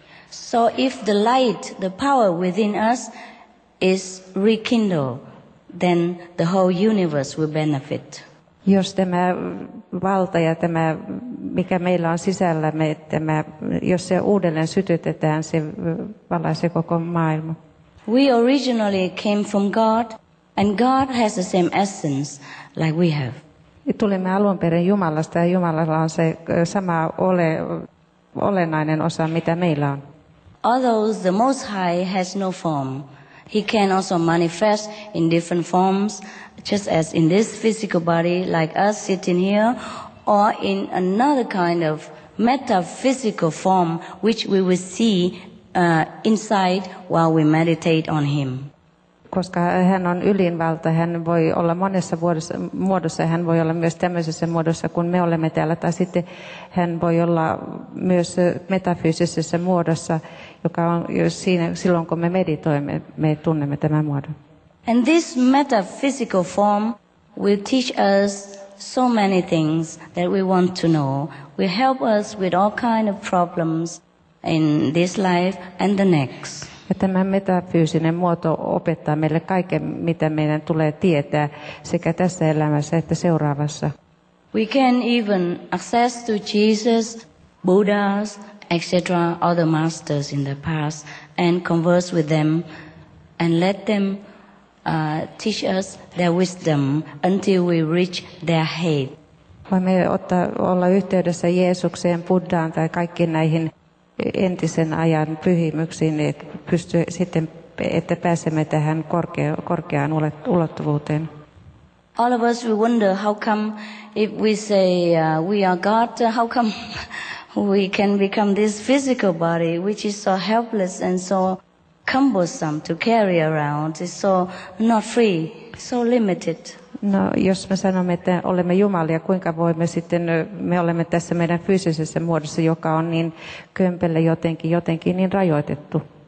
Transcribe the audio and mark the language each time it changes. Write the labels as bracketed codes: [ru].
[en] So if the light, the power within us is rekindled, then the whole universe will benefit. [fi] Jos tämä valta ja tämä, mikä meillä on sisällämme, tämä, jos se uudelleen sytytetään, se valaisi koko maailma. [en] We originally came from God. And God has the same essence like we have. [fi] Tulemme alun perin Jumalasta, ja Jumalalla on se sama olennainen osa, mitä meillä on. [en] Although the Most High has no form, He can also manifest in different forms, just as in this physical body like us sitting here, or in another kind of metaphysical form which we will see inside while we meditate on Him. [fi] Koska hän on ylinvalta, hän voi olla monessa muodossa, hän voi olla myös tämmöisessä muodossa, kun me olemme täällä, tai sitten hän voi olla myös metafyysisessä muodossa, joka on siinä, silloin kun me meditoimme, me tunnemme tämän muodon. [en] And this metaphysical form will teach us so many things that we want to know, will help us with all kind of problems in this life and the next. [fi] Ja tämä metafyysinen muoto opettaa meille kaiken, mitä meidän tulee tietää sekä tässä elämässä että seuraavassa. [en] We can even access to Jesus, Buddha, etc., other masters in the past, and converse with them and let them teach us their wisdom until we reach their head. [fi] Voimme olla yhteydessä Jeesukseen, Buddhaan tai kaikkiin näihin entisen ajan pyhimyksiin, että pääsemme tähän korkeaan ulottuvuuteen. [en] All of us we wonder how come if we say we are God, how come we can become this physical body which is so helpless and so cumbersome to carry around, is so not free, so limited. [fi] No, jos me sanomme, että olemme Jumalia, kuinka voimme sitten, me olemme tässä meidän fyysisessä muodossa, joka on niin kömpelö jotenkin niin rajoitettu.